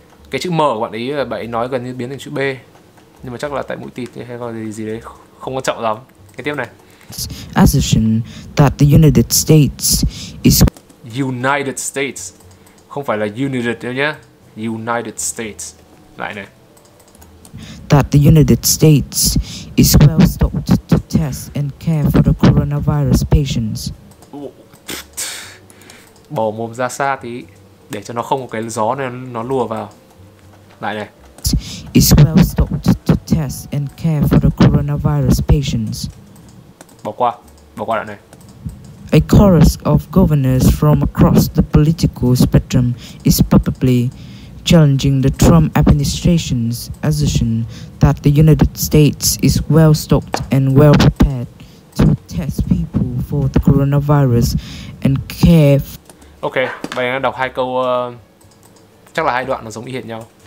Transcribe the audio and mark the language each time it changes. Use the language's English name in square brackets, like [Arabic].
[Vietnamese] Cái chữ M của bạn ấy, bạn ấy nói gần như biến thành chữ B. Nhưng mà chắc là tại mũi tịt hay có gì đấy. Không quan trọng lắm. Nghe tiếp này. [English] Assertion that the United States is [Vietnamese] United States, không phải là United đâu nhé. United States. Lại này. [English] That the United States is well stocked to test and care for the coronavirus patients. [Vietnamese] Bỏ mồm ra xa tí để cho nó không có cái gió này nó lùa vào. Lại này. [English] Is well stocked to test and care for the coronavirus patients. [Vietnamese] Bỏ qua đoạn này. [English] A chorus of governors from across the political spectrum is publicly challenging the Trump administration's assertion that the United States is well stocked and well prepared to test people for the coronavirus and care. [Vietnamese] Ok, bây giờ đọc hai câu, chắc là hai đoạn nó giống y hệt nhau.